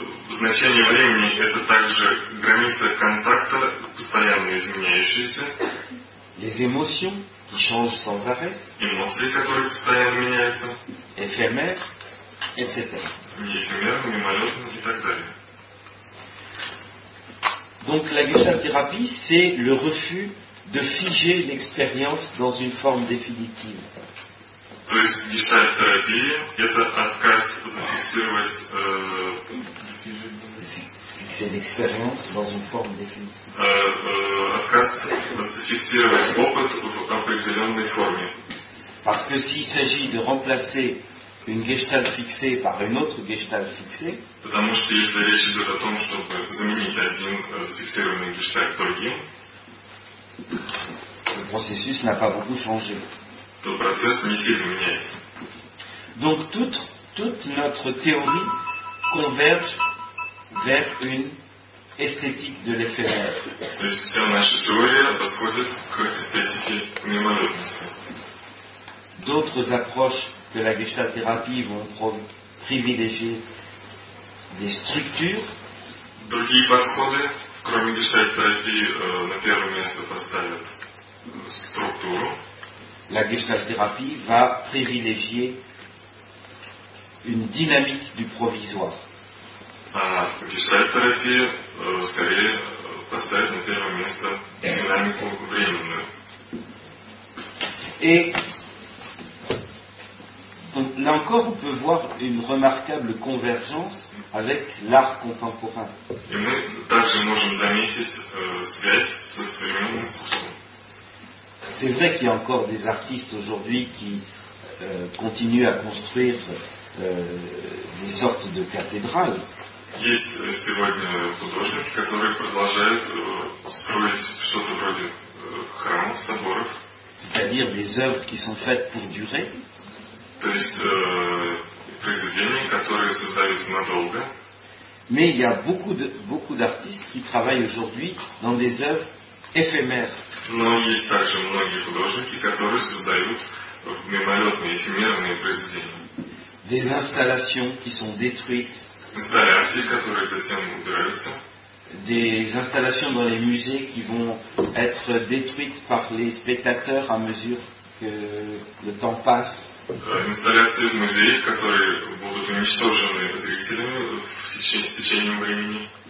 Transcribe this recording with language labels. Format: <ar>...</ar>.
<ru>Значение времени это также граница контакта, постоянно изменяющаяся.</ru> <fr>Les émotions qui changent sans arrêt.</fr> <ru>Эмоции, которые постоянно меняются.</ru> <fr>Эфемер, etc.</fr> <ru>Не эфемерно, мимолетно и так далее.</ru> <fr>Donc la Gestalt-thérapie, c'est le refus de figer l'expérience dans une forme définitive.</fr> <ru>То есть Гештальт-терапия – это отказ зафиксировать отказ зафиксировать опыт в определенной форме.</ru> <fr>Parce que s'il s'agit de remplacer une Gestalt fixée par une autre Gestalt fixée,</fr> <ru>потому что если речь идет о том, чтобы заменить один зафиксированный Гештальт другим,</ru> <fr>le processus n'a pas beaucoup changé. Le processus n'est pas beaucoup changé. Donc toute notre théorie converge vers une esthétique de l'éphémère.</fr> <ru>То есть вся наша теория восходит к эстетике мимолетности.</ru> <fr>D'autres approches de la Gestalt-thérapie vont privilégier des structures.</fr> <ru>Другие подходы, кроме Gestalt-thérapie, на первое место поставят структуру.</ru> <fr>La Gestalt-thérapie va privilégier une dynamique du provisoire.</fr> <ru>Gestalt-thérapie, скорее, поставит на первое место динамику временную.</ru> <fr>Et là encore, on peut voir une remarquable convergence avec l'art contemporain. Et</fr> <ru>мы также можем заметить связь со современным искусством.</ru> <fr>C'est vrai qu'il y a encore des artistes aujourd'hui qui continuent à construire des sortes de cathédrales.</fr> <ru>Есть сегодня художники, которые продолжают строить что-то вроде храмов, соборов.</ru> <fr>C'est-à-dire des œuvres qui sont faites pour durer.</fr> <ru>То есть произведения, которые создаются надолго.</ru> <fr>Mais il y a beaucoup d'artistes qui travaillent aujourd'hui dans des œuvres éphémères.</fr> <ru>Но есть также многие художники, которые создают мимолетные, эфемерные произведения.</ru> <fr>Des installations qui sont détruites.</fr> <ru>Installations, которые затем убираются.</ru> <fr>Des installations dans les musées qui vont être détruites par les spectateurs à mesure que le temps passe.</fr> <ru>Installations в музеях, которые будут уничтожены зрителями в течение времени.</ru>